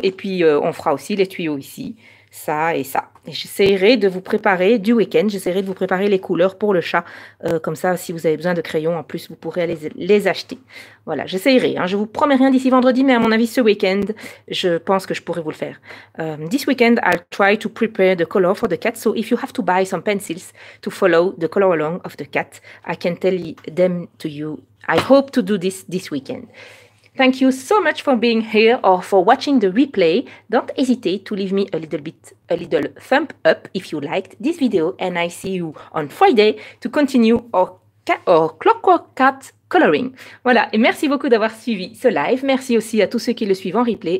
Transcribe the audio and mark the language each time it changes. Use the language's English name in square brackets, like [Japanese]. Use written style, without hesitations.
[French] Et puis on fera aussi les tuyaux ici, ça et ça. Et j'essaierai de vous préparer du week-end, j'essaierai de vous préparer les couleurs pour le chat. Comme ça, si vous avez besoin de crayons en plus, vous pourrez aller les acheter. Voilà, j'essaierai. Hein. Je ne vous promets rien d'ici vendredi, mais à mon avis, ce week-end, je pense que je pourrais vous le faire. [English] This weekend, I'll try to prepare the color for the cat. So if you have to buy some pencils to follow the color along of the cat, I can tell them to you. I hope to do this weekend. Thank you so much for being here or for watching the replay. Don't hesitate to leave me a little thumb up if you liked this video. And I see you on Friday to continue our Clockwork Cat coloring. [French] Voilà, et merci beaucoup d'avoir suivi ce live. Merci aussi à tous ceux qui le suivent en replay.